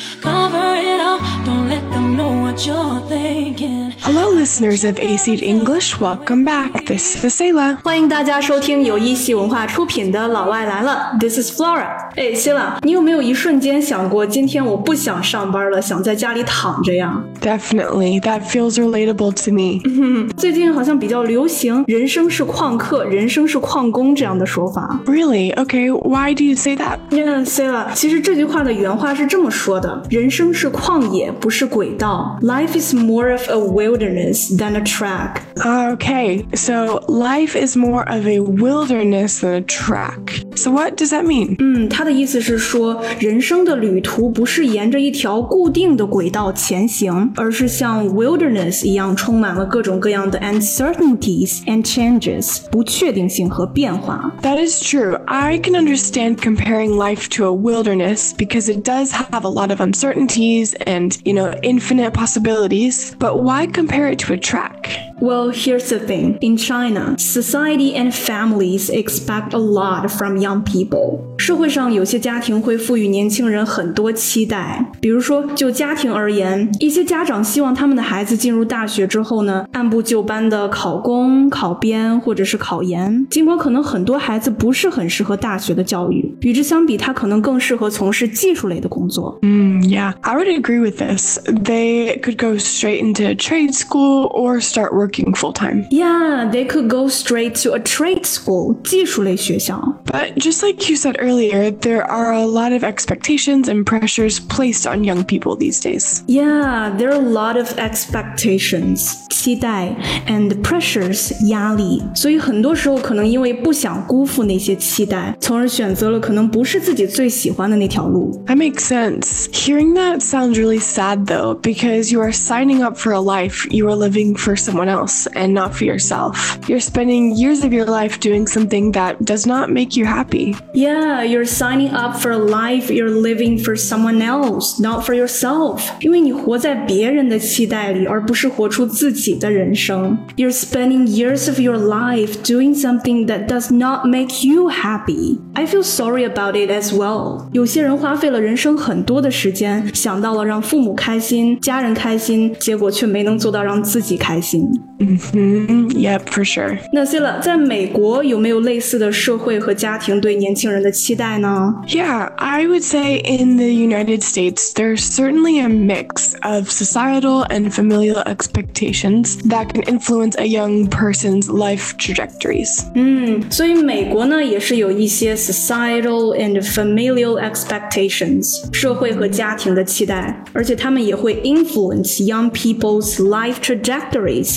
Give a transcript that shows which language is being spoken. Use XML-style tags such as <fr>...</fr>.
<en>Cover it up, don't let them know what you're thinking. Hello, listeners of AC English. Welcome back. This is Sela.</en> <zh>欢迎大家收听由一席文化出品的《老外来了》。</zh> <en>This is Flora.</en> <zh>哎，希拉，你有没有一瞬间想过，今天我不想上班了，想在家里躺着呀？</zh> <en>Definitely. That feels relatable to me.</en> <zh>最近好像比较流行“人生是旷课，人生是旷工”这样的说法。</zh> <en>Really? Okay. Why do you say that? Yeah, Sela.</en> <zh>其实这句话的原话是这么说的：人生是旷野，不是轨道。</zh> <en>Life is more of a wilderness than a track. Okay. So life is more of a wilderness than a track. So what does that mean?</en> <zh>他的意思是说，人生的旅途不是沿着一条固定的轨道前行，而是像 wilderness 一样充满了各种各样的</zh> <en>uncertainties and changes,</en> <zh>不确定性和变化。</zh> <en>That is true. I can understand comparing life to a wilderness because it does have a lot of uncertainties and, you know, infinite possibilities. But why compare it to a track? Well, here's the thing. In China, society and families expect a lot from young people.</en> <zh>社会上有些家庭会赋予年轻人很多期待。比如说，就家庭而言，一些家长希望他们的孩子进入大学之后呢，按部就班的考公、考编或者是考研。尽管可能很多孩子不是很适合大学的教育，与之相比，他可能更适合从事技术类的工作。</zh> <en>Yeah, I would agree with this. They could go straight into trade school or start working full-time. Yeah, they could go straight to a trade school,</en> <zh>技术类学校。</zh> <en>But just like you said earlier, there are a lot of expectations and pressures placed on young people these days. Yeah, there are a lot of expectations, 期待 and pressures, 压力。</en> <zh>所以很多时候可能因为不想辜负那些期待，从而选择了可能不是自己最喜欢的那条路。</zh> <en>That makes sense. Hearing that sounds really sad though, because you are signing up for a life you are living for someone else and not for yourself. You're spending years of your life doing something that does not make you happy. Yeah, you're signing up for a life you're living for someone else, not for yourself.</en> <zh>因为你活在别人的期待里，而不是活出自己的人生。</zh> <en>You're spending years of your life doing something that does not make you happy. I feel sorry about it as well.</en> <zh>有些人花费了人生很多的时间，想到了让父母开心，家人开心，结果却没能做到让自己开心。</zh> <en>Yep, for sure.</en> <zh>那 Sela, 在美国有没有类似的社会和家庭对年轻人的期待呢？</zh> <en>Yeah, I would say in the United States, there's certainly a mix of societal and familial expectations that can influence a young person's life trajectories.</en> <zh>所以美国呢也是有一些</zh> <en>societal and familial expectations,</en> <zh>社会和家庭的期待，而且他们也会</zh> <en>influence young people's life trajectory.</en>